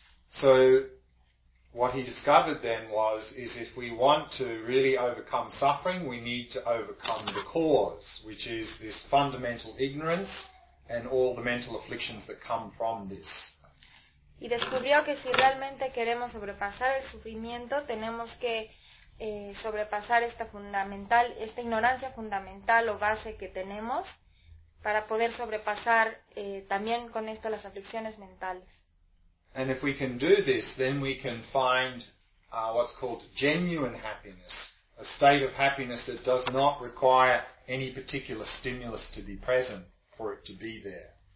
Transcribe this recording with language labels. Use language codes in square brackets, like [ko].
[en] So what he discovered then was, is if we want to really overcome suffering, we need to overcome the cause, which is this fundamental ignorance and all the mental afflictions that come from this. [es] Y descubrió que si realmente queremos sobrepasar el sufrimiento, tenemos que sobrepasar esta ignorancia fundamental o base que tenemos para poder sobrepasar también con esto las aflicciones mentales. [en] And if we can do this, then we can find what's called genuine happiness, a state of happiness that does not require any particular stimulus to be present for it to be there.